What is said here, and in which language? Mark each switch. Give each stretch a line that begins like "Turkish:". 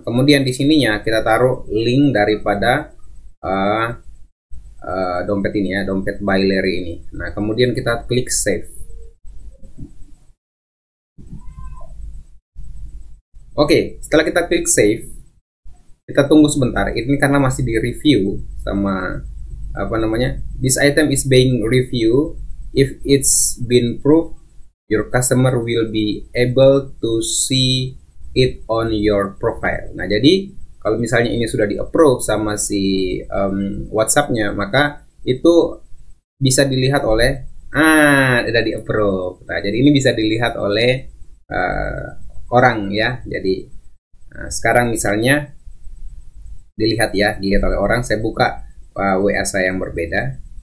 Indonesian: Kemudian di sininya kita taruh link daripada dompet ini ya, dompet by Larry ini. Nah, kemudian kita klik save. Oke, setelah kita klik save, kita tunggu sebentar. Ini karena masih di review sama apa namanya?
English: This item is being reviewed. If it's been approved, your customer will be able to see it on your profile.
Indonesian: Nah, jadi kalau misalnya ini sudah di approve sama si WhatsApp-nya, maka itu bisa dilihat oleh sudah di approve. Nah, jadi ini bisa dilihat oleh orang ya. Jadi Nah, sekarang misalnya dilihat ya, dilihat oleh orang, saya buka WA saya yang berbeda.